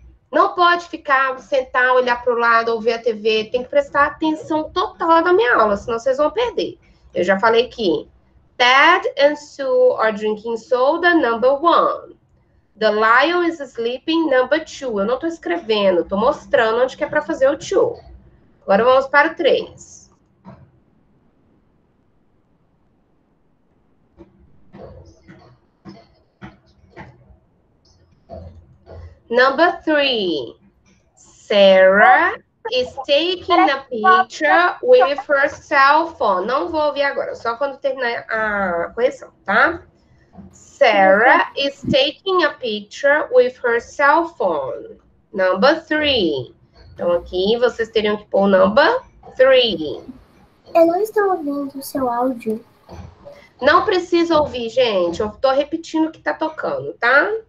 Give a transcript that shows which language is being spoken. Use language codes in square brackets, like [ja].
[pt] Não pode ficar, sentar, olhar pro lado, ouvir a TV. Tem que prestar atenção total na minha aula, senão vocês vão perder. Eu já falei que [en] Ted and Sue are drinking soda, number one. The lion is sleeping, number two. [pt] Eu não tô escrevendo, tô mostrando onde que é pra fazer o two. Agora vamos para o três. [en] Number three. Sarah is taking a picture with her cell phone. [pt] Não vou ouvir agora, só quando terminar a correção, tá? [en] Sarah is taking a picture with her cell phone. Number three. [pt] Então aqui vocês teriam que pôr o [en] number three. [pt] Eu não estou ouvindo o seu áudio. Não precisa ouvir, gente. Eu estou repetindo o que está tocando, tá?